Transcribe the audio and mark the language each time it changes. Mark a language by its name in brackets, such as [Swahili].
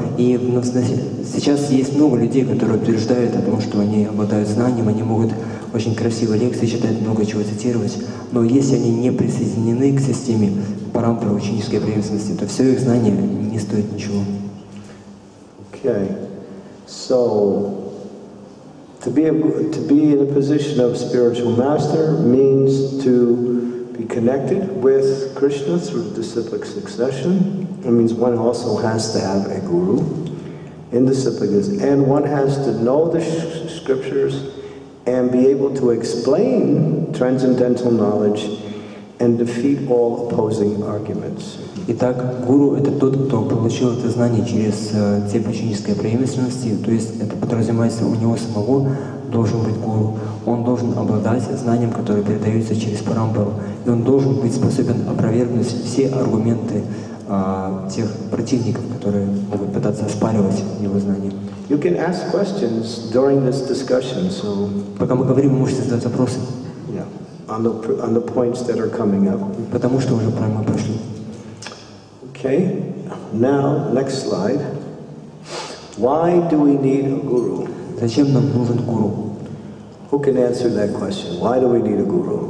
[Russian] И сейчас есть много людей, которые утверждают о том, что они обладают знанием, они могут очень красиво лекции читать, много чего цитировать. Но если они не присоединены к системе Парампары ученической преемственности, то все их знания не стоит ничего. [English] Okay. So... To be in a position of spiritual master means to be connected with Krishna through the cyclic succession. It means one also has to have a guru in the cyclic succession. And one has to know the scriptures and be able to explain transcendental knowledge and defeat all opposing arguments. [Russian] Итак, гуру — это тот, кто получил это знание через цепь ученической преемственности, то есть это подразумевается, у него самого должен быть гуру. Он должен обладать знанием, которое передается через парампару, и он должен быть способен опровергнуть все аргументы тех противников, которые могут пытаться оспаривать его знание. [English] You can ask questions during this discussion, so... [Russian] Пока мы говорим, вы можете задать вопросы. [English] Yeah. On the points that are coming up. [Russian] Потому что уже прямо пошли. [English] Okay, now, next slide. Why do we need a guru? [Russian] Зачем нам нужен гуру? [English] Who can answer that question? Why do we need a guru?